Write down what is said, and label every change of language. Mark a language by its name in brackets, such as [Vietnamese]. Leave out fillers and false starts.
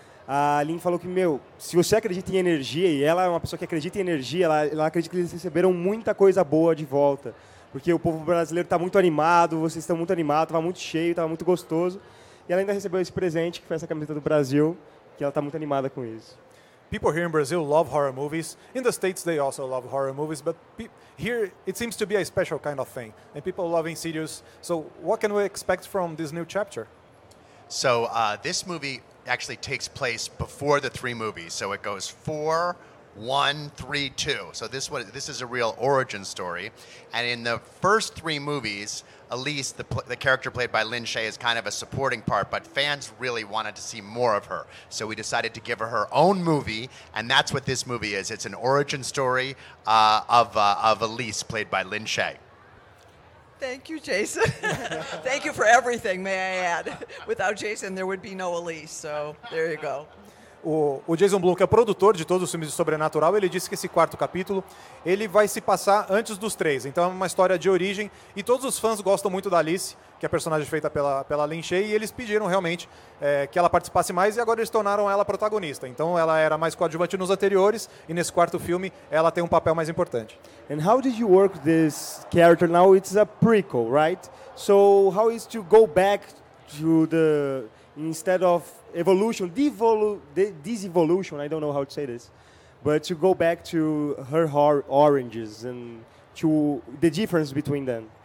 [Portuguese] A Lin falou que, meu, se você acredita em energia, e ela é uma pessoa que acredita em energia, ela acredita que eles receberam muita coisa boa de volta. Porque o povo brasileiro está muito animado, vocês estão muito animados, estava muito cheio, estava muito gostoso. E ela ainda recebeu esse presente, que foi essa camiseta do Brasil, que ela está muito animada com isso. [English] People here in Brazil love horror movies. In the States, they also love horror movies. But here, it seems to be a special kind of thing. And people love Insidious. So what can we expect from this new chapter? So this movie actually takes place before the three movies. So it goes 4-1-3-2. So this is a real origin story. And in the first three movies, Elise, the character played by Lin Shaye, is kind of a supporting part, but fans really wanted to see more of her. So we decided to give her her own movie, and that's what this movie is. It's an origin story of Elise, played by Lin Shaye. Thank you, Jason. Thank you for everything, may I add. Without Jason, there would be no Elise, so there you go. [Portuguese] O Jason Blum, que é produtor de todos os filmes de Sobrenatural, ele disse que esse quarto capítulo ele vai se passar antes dos três. Então é uma história de origem e todos os fãs gostam muito da Alice, que é a personagem feita pela Lin Shaye, e eles pediram realmente que ela participasse mais e agora eles tornaram ela protagonista. Então ela era mais coadjuvante nos anteriores e nesse quarto filme ela tem um papel mais importante. [English] And how did you work this character? Now it's a prequel, right? So how is to go back to the... instead of evolution, devolution, I don't know how to say this, but to go back to her oranges and to the difference between them.